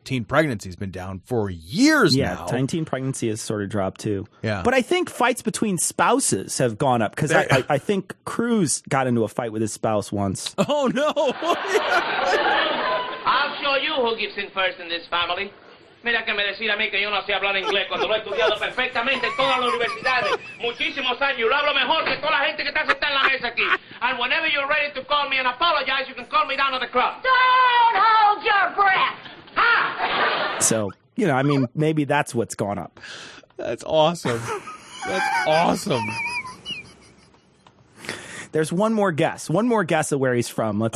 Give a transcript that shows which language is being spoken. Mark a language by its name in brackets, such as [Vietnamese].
[English] Teen pregnancy has been down for years now. Yeah, teen pregnancy has sort of dropped too. Yeah. But I think fights between spouses have gone up because I think Cruz got into a fight with his spouse once. Oh, no. I'll show you who gets in first in this family. [Spanish] Mira que me decir a mí que yo no sé hablar inglés cuando lo he estudiado perfectamente en todas las universidades, muchísimos años. Yo hablo mejor que toda la gente que está sentada en la mesa aquí. [English] And whenever you're ready to call me and apologize, you can call me down to the club. Don't hold your breath! Ha! So, you know, I mean, maybe that's what's gone up. That's awesome. That's awesome. There's one more guess. One more guess of where he's from. Let's